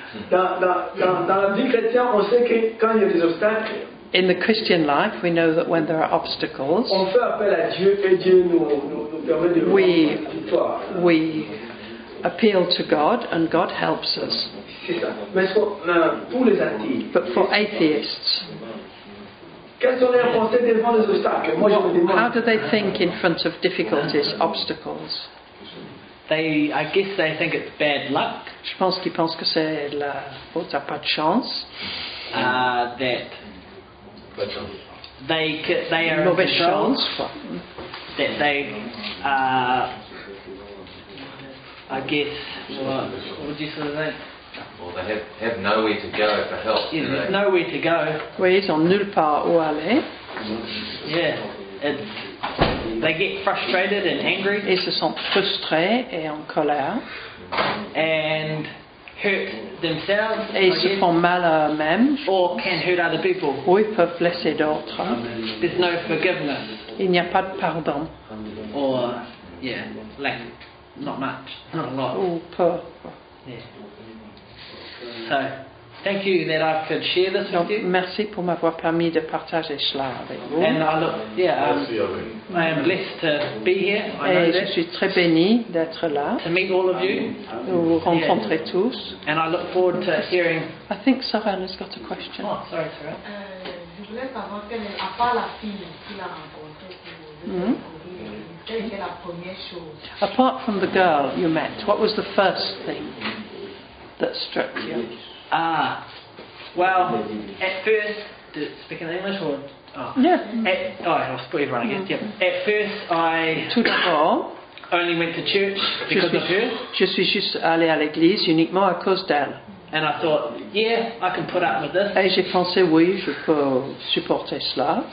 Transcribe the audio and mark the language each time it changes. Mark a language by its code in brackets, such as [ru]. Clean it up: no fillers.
[fr] Dans la vie chrétienne, on sait que quand il y a des obstacles. [en] In the Christian life, we know that when there are obstacles. [fr] On fait appel à Dieu et Dieu nous permet de voir la victoire. [en] We appeal to God and God helps us. [fr] C'est ça. Mais pour les athées. [en] But for atheists. How do they think in front of difficulties, obstacles? I guess they think it's bad luck. [fr] Je pense qu'ils pensent que c'est la faute, t'as pas de chance. [en] That they are mauvaise in control, chance. That they I guess what would you say? Well, they have nowhere to go for help. Yeah, nowhere to go. [fr] Oui, ils ont nulle part où aller. [en] Yeah, they get frustrated and angry. [fr] Ils se sont frustrés et en colère. [en] And hurt themselves. [fr] Et ils se font mal à eux-mêmes. [en] Or can hurt other people. [fr] Ou ils peuvent blesser d'autres. [en] There's no forgiveness. [fr] Il n'y a pas de pardon. [en] Or, yeah, like, not much, not a lot. [fr] Ou peu. [en] So, thank you that I could share this with you. [fr] Merci pour m'avoir permis de partager cela avec vous. [en] And I look, I am blessed to be here. [fr] Et je suis très béni d'être là. [en] To meet all of you. [fr] Vous rencontrer tous. [en] And I look forward to hearing. I think Sarah has got a question. Oh, sorry, Sarah. [fr] Je voulais savoir quelle est, à part la fille qui l'a rencontrée, quelle est la première chose. [en] Apart from the girl you met, what was the first thing that struck you? Well, at first, speaking English or? I'll split everyone again. Yeah. At first, I [fr] tout d'abord, [en] only went to church because of her. [fr] Je suis juste allé à l'église uniquement à cause d'elle. [en] And I thought, yeah, I can put up with this. [fr] Et j'ai pensé, oui, je peux supporter cela.